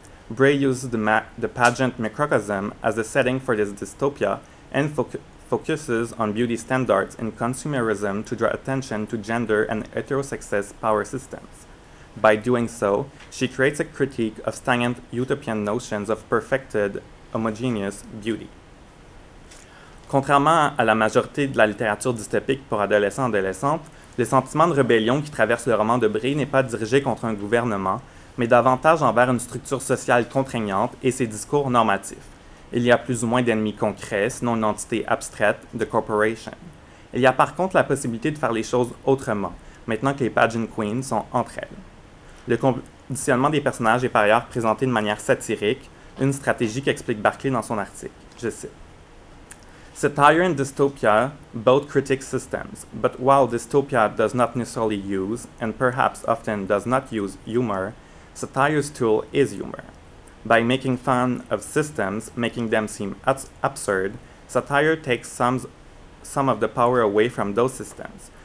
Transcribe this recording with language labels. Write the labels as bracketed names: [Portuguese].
[English] Bray uses the pageant microcosm as a setting for this dystopia and focuses on beauty standards and consumerism to draw attention to gender and heterosexist power systems. By doing so, she creates a critique of stagnant utopian notions of perfected, homogeneous beauty. [French] » Contrairement à la majorité de la littérature dystopique pour adolescents et adolescentes, le sentiment de rébellion qui traverse le roman de Bray n'est pas dirigé contre un gouvernement, mais davantage envers une structure sociale contraignante et ses discours normatifs. Il y a plus ou moins d'ennemis concrets, sinon une entité abstraite, « the corporation ». Il y a par contre la possibilité de faire les choses autrement, maintenant que les pageant queens sont entre elles. Le conditionnement des personnages est par ailleurs présenté de manière satirique, une stratégie qu'explique Barclay dans son article. Je cite. [English] « Satire and dystopia both critique systems, but while dystopia does not necessarily use, and perhaps often does not use, humor, satire's tool is humor. By making fun of systems, making them seem absurd, satire takes some of the power away from those systems.